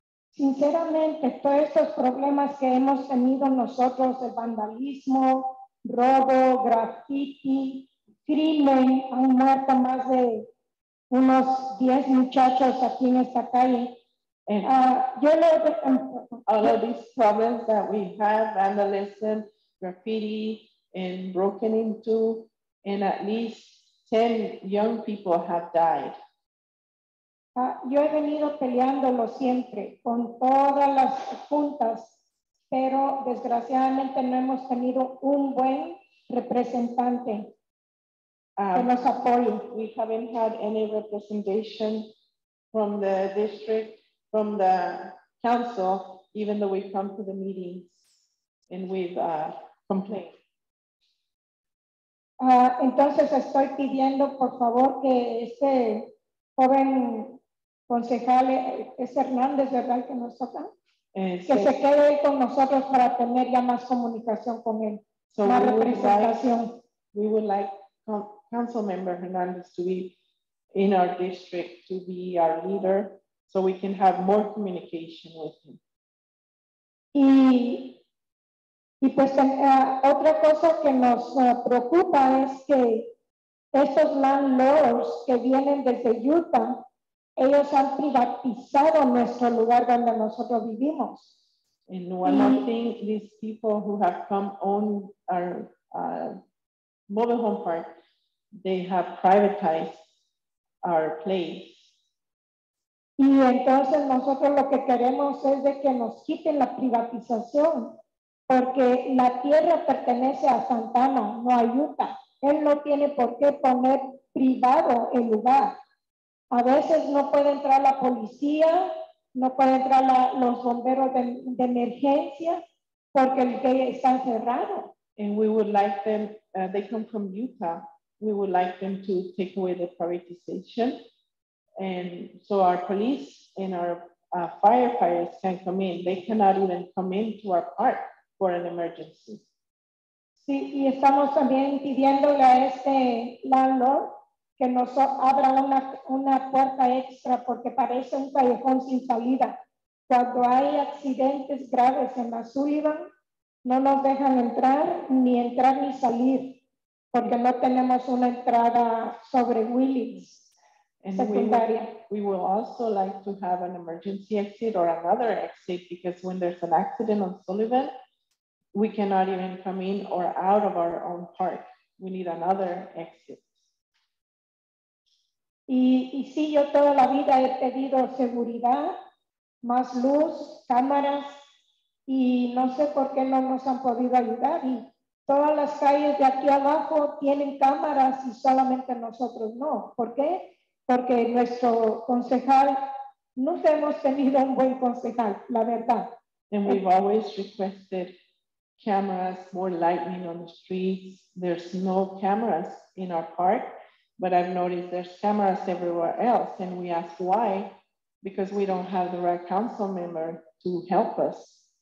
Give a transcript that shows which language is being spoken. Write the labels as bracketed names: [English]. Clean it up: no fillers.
[Spanish] Sinceramente, todos estos problemas que hemos tenido nosotros, el vandalismo, robo, graffiti, crimen, han muerto más de unos 10 muchachos aquí en esta calle. [English] All of these problems that we have, vandalism, graffiti and broken into, and at least 10 young people have died. [Spanish] Yo he venido peleándolo siempre con todas las juntas, pero desgraciadamente no hemos tenido un buen representante que nos apoye. [English] We haven't had any representation from the district, from the council, even though we come to the meetings and we've complain. [Spanish] Entonces estoy pidiendo por favor que ese joven concejal es Hernández, ¿verdad? Que nos toca. Que se quede con nosotros para tener ya más comunicación con él. [English] So [Spanish] más representación. [English] We would like Council Member Hernández to be in our district to be our leader so we can have more communication with him. [Spanish] Y pues otra cosa que nos preocupa es que esos landlords que vienen desde Utah, ellos han privatizado nuestro lugar donde nosotros vivimos. [English] And one more thing, these people who have come on our mobile home park, they have privatized our place. [Spanish] Y entonces nosotros lo que queremos es de que nos quiten la privatización, porque la tierra pertenece a Santana, no a Utah. Él no tiene por qué poner privado el lugar. A veces no puede entrar la policía, no puede entrar los bomberos de emergencia porque el gate está cerrado. [English] And we would like them, they come from Utah, we would like them to take away the privatization. And so our police and our firefighters can come in. They cannot even come into our park for an emergency. [Spanish] Sí, y estamos también pidiéndole a este landlord que nos abra una puerta extra porque parece un callejón sin salida. Cuando hay accidentes graves en la Sullivan, no nos dejan entrar ni salir porque no tenemos una entrada sobre Willis secundaria. [English] We will also like to have an emergency exit or another exit because when there's an accident on Sullivan, we cannot even come in or out of our own park. We need another exit. [Spanish] Y sí, yo toda la vida he pedido seguridad, más luz, cámaras, y no sé por qué no nos han podido ayudar. Y todas las calles de aquí abajo tienen cámaras y solamente nosotros no. ¿Por qué? Porque nuestro concejal, nunca hemos tenido un buen concejal, la verdad. [English] And we've always requested cameras, more lightning on the streets. There's no cameras in our park. But I've noticed there's cameras everywhere else. And we ask why, because we don't have the right council member to help us.